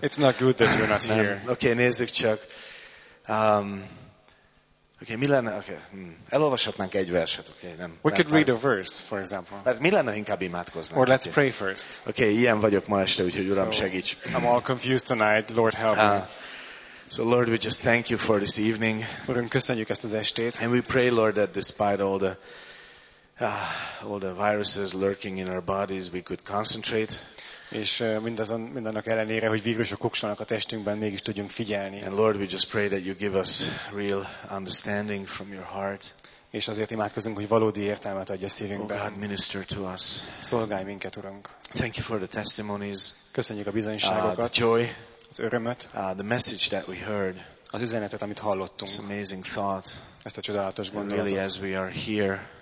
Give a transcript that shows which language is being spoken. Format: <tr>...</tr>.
<en>It's not good that you're not here.</en> <hu>Okay, nézzük csak. Mi lenne? Elolvashatnánk egy verset, nem.</hu> <en>We could read a verse, for example.</en> <hu>Mert mi lenne, inkább imádkoznánk?</hu> <en>Or let's pray first.</en> <hu>Okay, ilyen vagyok ma este, úgyhogy Uram, segíts.</hu> <en>I'm all confused tonight. Lord, help me. So Lord, we just thank you for this evening.</en> <hu>Uram, köszönjük ezt az estét.</hu> <en>And we pray, Lord, that despite all the viruses lurking in our bodies, we could concentrate.</en> <hu>És mindannak ellenére, hogy vírusok kukcsolnak a testünkben, mégis tudjunk figyelni.</hu> <en>And Lord, we just pray that you give us real understanding from your heart.</en> <hu>És azért imádkozunk, hogy valódi értelmet adj a szívünkben.</hu> <en>Oh God, minister to us.</en> <hu>Szolgálj minket, Urunk.</hu> <en>Thank you for the testimonies.</en> <hu>Köszönjük a bizonyságokat.</hu> <en>The joy.</en> <hu>Az örömet.</hu> <en>The message that we heard.</en> <hu>Az üzenetet, amit hallottunk.</hu> <en>This amazing thought.</en> <hu>Ezt a csodálatos gondolatot.</hu> <en>Really, as we are here,</en>